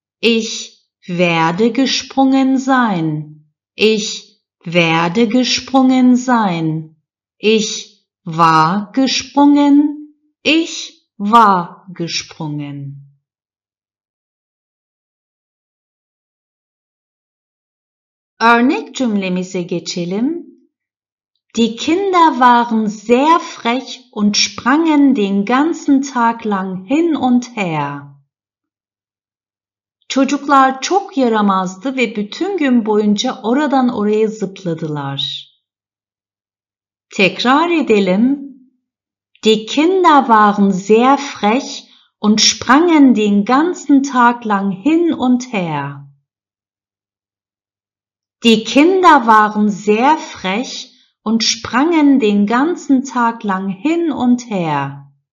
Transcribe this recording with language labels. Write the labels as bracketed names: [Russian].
[German] Ich werde gesprungen sein. Ich werde gesprungen sein. Ich war gesprungen. Ich war gesprungen. [Turkish] Örnek cümlemize geçelim. [German] Die Kinder waren sehr frech und sprangen den ganzen Tag lang hin und her. [Turkish] Çocuklar çok yaramazdı ve bütün gün boyunca oradan oraya zıpladılar. Tekrar edelim. [German] Die Kinder waren sehr frech und sprangen den ganzen Tag lang hin und her. Die Kinder waren sehr frech und sprangen den ganzen Tag lang hin und her.